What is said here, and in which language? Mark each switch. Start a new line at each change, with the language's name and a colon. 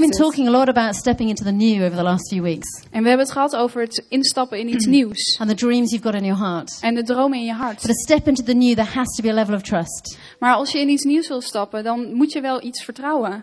English: We've been talking a lot about stepping into the new over the last few weeks.
Dutch: En we hebben het gehad over het instappen in iets nieuws.
English: And the dreams you've got in your heart.
Dutch: En de dromen in je hart.
English: But a step into the new, there has to be a level of trust.
Dutch: Maar als je in iets nieuws wil stappen, dan moet je wel iets vertrouwen.